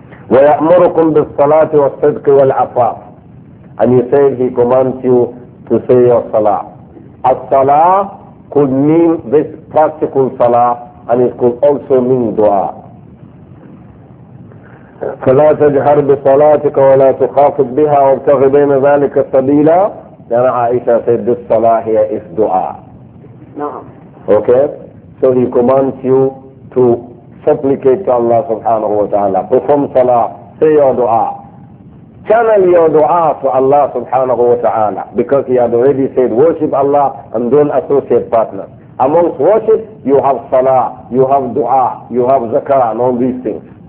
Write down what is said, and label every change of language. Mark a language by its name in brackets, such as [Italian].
[Arabic] وَيَأْمُرُكُمْ بِالصَّلَاةِ وَالصِّدْقِ وَالْعَفَافِ [English] And he said he commands you to say your salah. As-salah could mean this practical salah, and it could also mean dua. [Arabic] فلا تجهر بصلاتك ولا تخافض بها وابتغ بين ذلك سبيلا لأن عائشة [English] said this salah here is dua. [Arabic] نعم. [English] Okay? So he commands you to supplicate to Allah subhanahu wa ta'ala. Perform salah, say your dua. Channel your dua to Allah subhanahu wa ta'ala because he had already said worship Allah and don't associate partners. Amongst worship, you have salah, you have dua, you have zakah and all these things.